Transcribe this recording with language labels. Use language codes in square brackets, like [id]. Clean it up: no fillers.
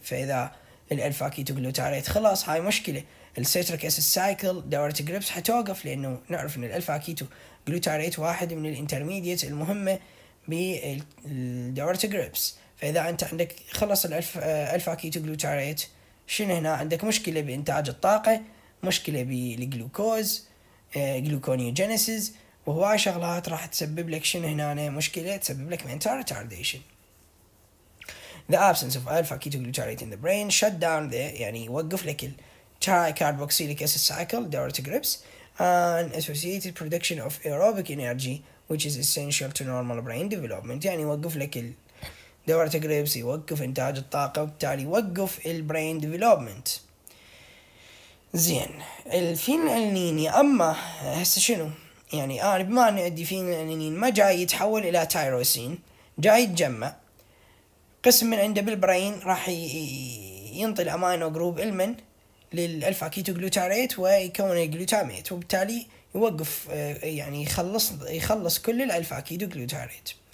[ar] فإذا الألفا كيتو جلوتاريت خلاص، هاي مشكلة الستريك أسيد سايكل، دورة جريبس حتوقف، لأنه نعرف إن الألفا كيتو جلوتاريت واحد من الانترميديت المهمة بدورة جريبس. فإذا أنت عندك خلص الألفا كيتو جلوتاريت، شنو هنا عندك مشكلة بإنتاج الطاقة، مشكلة بالجلوكوز، جلوكونيوجينيسيس، وهو شغلات راح تسبب لك شنو هنا مشكلة، تسبب لك [en] mental retardation. The absence of alpha ketoglutarate in the brain shut down the [ar] يعني يوقف لك ال [en] tricarboxylic acid cycle [ar] دورة جريبس [en] and associated production of aerobic energy which is essential to normal brain development. [ar] يعني يوقف لك ال دورة جريبس، يوقف إنتاج الطاقة، وبالتالي يوقف ال [en] brain development. [ar] زين الفينيلالانين اما هسه شنو يعني انا بما ان عندي فينيلالانين ما جاي يتحول الى تايروسين، جاي يتجمع قسم من عنده بالبرين، راح ينطي الامينو جروب المن للالفا كيتو جلوتاريت ويكون الجلوتاميت، وبالتالي يوقف يعني يخلص كل الالفا كيتو جلوتاريت.